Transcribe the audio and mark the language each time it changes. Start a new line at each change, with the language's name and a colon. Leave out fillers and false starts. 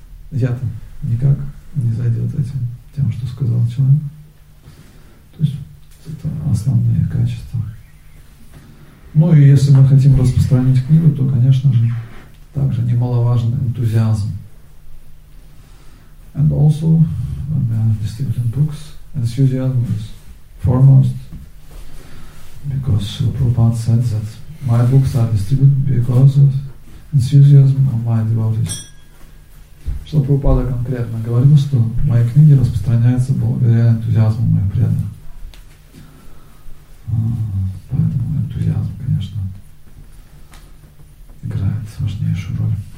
Russian: Я-то никак не задет этим тем, что сказал человек. То есть это основные качества. Ну и если мы хотим распространить книгу, то, конечно же, также немаловажен энтузиазм.
English: And also, when we are distributing books, enthusiasm is foremost, because Prabhupada said that my books are distributed because of enthusiasm of my devotees.
Russian: Что Прабхупада конкретно говорил, что мои книги распространяются благодаря энтузиазму моих преданных. Поэтому энтузиазм, конечно, играет важнейшую роль.